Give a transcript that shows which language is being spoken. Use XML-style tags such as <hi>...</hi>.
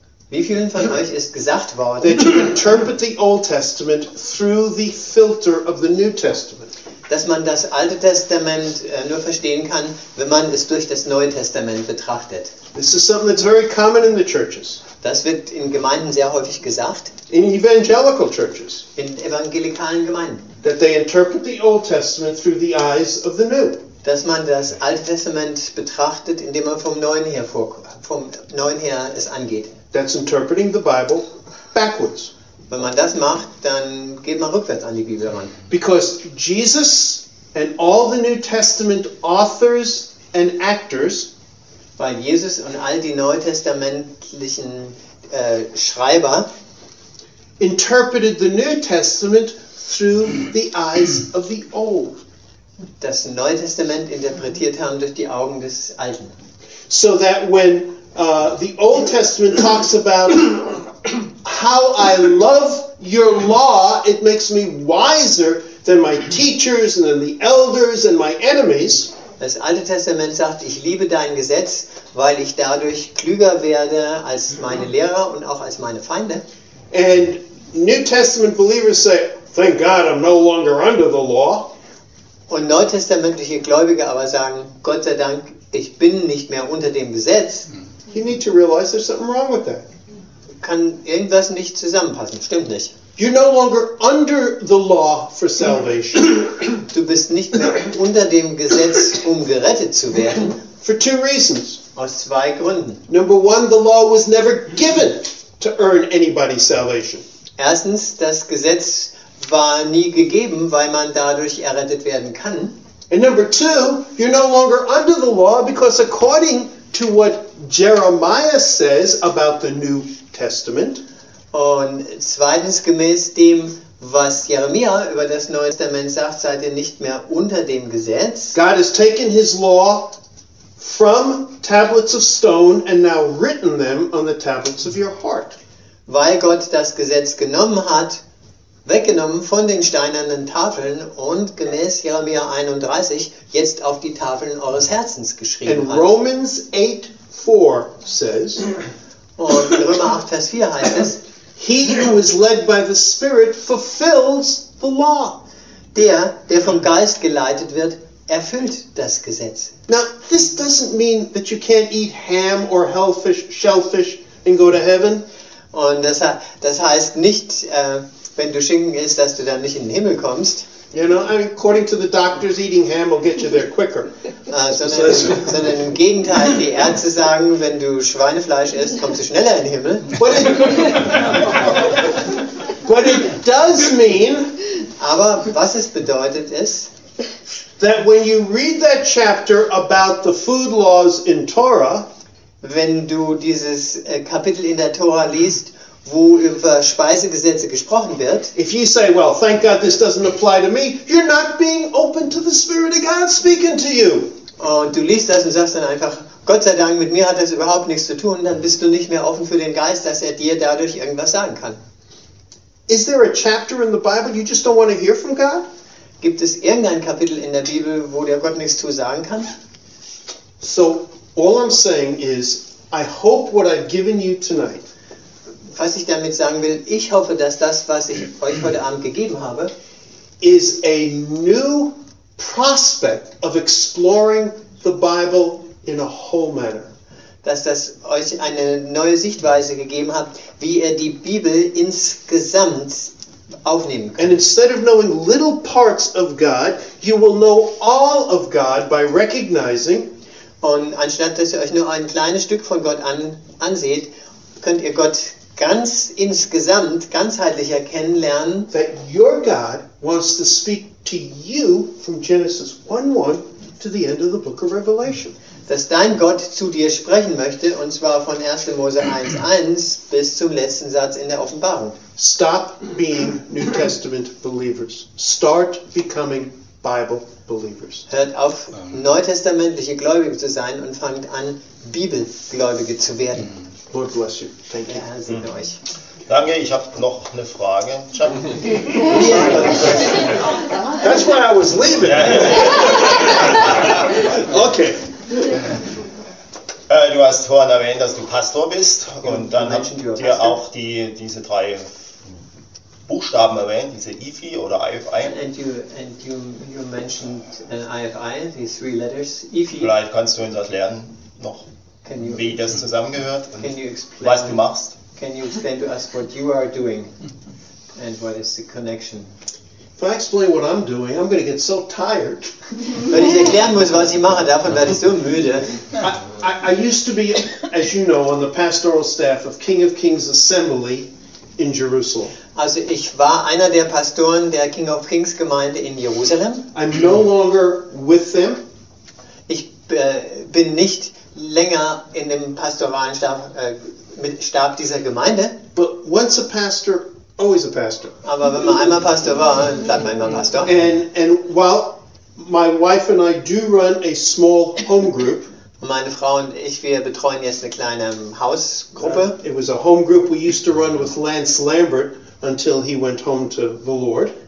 <de>Wie vielen von euch ist gesagt worden?</de> <en>That you interpret the Old Testament through the filter of the New Testament.</en> <de>Dass man das Alte Testament nur verstehen kann, wenn man es durch das Neue Testament betrachtet.</de> <en>This is something that's very common in the churches.</en> <de>Das wird in Gemeinden sehr häufig gesagt.</de> <en>In evangelical churches.</en> <de>In evangelikalen Gemeinden.</de> <en>That they interpret the Old Testament through the eyes of the New.</en> <de>Dass man das Alte Testament betrachtet, indem man vom Neuen her es angeht.</de> <en>That's interpreting the Bible backwards.</en> <de>Wenn man das macht, dann geht man rückwärts an die Bibel ran.</de> <en>Because Jesus and all the New Testament authors and actors,</en> <de>weil Jesus und all die neutestamentlichen Schreiber</de> <en>interpreted the New Testament through the eyes of the old.</en> <de>Das Neue Testament interpretiert haben durch die Augen des Alten.</de> <en>So that when the Old Testament talks about how I love your law, it makes me wiser than my teachers and than the elders and my enemies.</en> <de>Das Alte Testament sagt, ich liebe dein Gesetz, weil ich dadurch klüger werde als meine Lehrer und auch als meine Feinde.</de> <en>And New Testament believers say, thank God I'm no longer under the law.</en> <de>Und neutestamentliche Gläubige aber sagen, Gott sei Dank, ich bin nicht mehr unter dem Gesetz.</de> <en>You need to realize there's something wrong with that.</en> <de>Kann irgendwas nicht zusammenpassen, stimmt nicht.</de> <en>You're no longer under the law for salvation.</en> <de>Du bist nicht mehr unter dem Gesetz, um gerettet zu werden.</de> <en>For two reasons.</en> <de>Aus zwei Gründen.</de> <en>Number one, the law was never given to earn anybody salvation.</en> <de>Erstens, das Gesetz war nie gegeben, weil man dadurch errettet werden kann.</de> <en>And number two, you're no longer under the law because according to what Jeremiah says about the New Testament.</en> <de>Und zweitens, gemäß dem, was Jeremia über das Neue Testament sagt, seid ihr nicht mehr unter dem Gesetz.</de> <en>God has taken his law from tablets of stone and now written them on the tablets of your heart.</en> <de>Weil Gott das Gesetz genommen hat, weggenommen von den steinernen Tafeln und gemäß Jeremia 31 jetzt auf die Tafeln eures Herzens geschrieben hat.</de> <en>Romans 8:4 says,</en> <de>und Römer 8, Vers 4 heißt es,</de> <en>he who is led by the Spirit fulfills the law.</en> <de>Der, der vom Geist geleitet wird, erfüllt das Gesetz.</de> <en>Now, this doesn't mean that you can't eat ham or shellfish and go to heaven.</en> <de>Und das heißt nicht, wenn du Schinken isst, dass du dann nicht in den Himmel kommst.</de> <en>You know, according to the doctors, eating ham will get you there quicker.</en> <de>Sondern im Gegenteil, die Ärzte sagen, wenn du Schweinefleisch isst, kommst du schneller in den Himmel.</de> <en>But it does mean,</en> <de>aber was es bedeutet ist,</de> <en>that when you read that chapter about the food laws in Torah,</en> <de>wenn du dieses Kapitel in der Tora liest, wo über Speisegesetze gesprochen wird.</de> <en>If you say, well, thank God this doesn't apply to me, you're not being open to the Spirit of God speaking to you.</en> <de>Und du liest das und sagst dann einfach, Gott sei Dank, mit mir hat das überhaupt nichts zu tun, dann bist du nicht mehr offen für den Geist, dass er dir dadurch irgendwas sagen kann.</de> <en>Is there a chapter in the Bible you just don't want to hear from God?</en> <de>Gibt es irgendein Kapitel in der Bibel, wo dir Gott nichts zu sagen kann?</de> <en>So, all I'm saying is, I hope what I've given you tonight.</en> <de>Was ich damit sagen will, ich hoffe, dass das, was ich euch heute Abend gegeben habe,</de> <en>is a new prospect of exploring the Bible in a whole manner.</en> <de>Dass das euch eine neue Sichtweise gegeben hat, wie ihr die Bibel insgesamt aufnehmen könnt.</de> <en>And instead of knowing little parts of God, you will know all of God by recognizing.</en> <de>Und anstatt dass ihr euch nur ein kleines Stück von Gott anseht, könnt ihr Gott ganz insgesamt ganzheitlich kennenlernen.</de> <en>That your God wants to speak to you from Genesis 1:1 to the end of the book of Revelation.</en> <de>Dass dein Gott zu dir sprechen möchte, und zwar von 1. Mose 1:1 bis zum letzten Satz in der Offenbarung.</de> <en>Stop being New Testament believers. Start becoming Bible believers.</en> <de>Hört auf, neutestamentliche Gläubige zu sein und fangt an, Bibelgläubige zu werden.</de> <en>Lord bless you. Thank you.</en> <de>Herr segne euch. Danke, ich habe noch eine Frage.</de> <en>That's why I was leaving. Okay.</en> <de>Du hast vorhin erwähnt, dass du Pastor bist, und dann habt ihr Pastor auch diese drei Buchstaben erwähnt, diese IFI oder IFI.</de> <en>And you mentioned IFI, these three letters, IFI.</en> <de>Vielleicht kannst du uns erklären noch, wie das zusammengehört und was du machst.</de> <en>Can you explain to us what you are doing and what is the connection? If I explain what I'm doing, I'm going to get so tired.</en> <de>Wenn ich erklären muss, was ich mache, davon werde ich so müde.</de> <en>I used to be, as you know, on the pastoral staff of King of Kings Assembly in Jerusalem.</en> <de>Also ich war einer der Pastoren der King of Kings Gemeinde in Jerusalem.</de> <en>I'm no longer with them.</en> <de>Ich bin nicht länger in dem pastoralen Stab, mit Stab dieser Gemeinde.</de> <en>But once a pastor, always a pastor.</en> <de>Aber wenn man einmal Pastor war, bleibt man immer Pastor.</de> <en>And while my wife and I do run a small home group.</en> <de>Meine Frau und ich, wir betreuen jetzt eine kleine Hausgruppe.</de> <en>Yeah, it was a home group we used to run with Lance Lambert until he went home to the Lord.</en>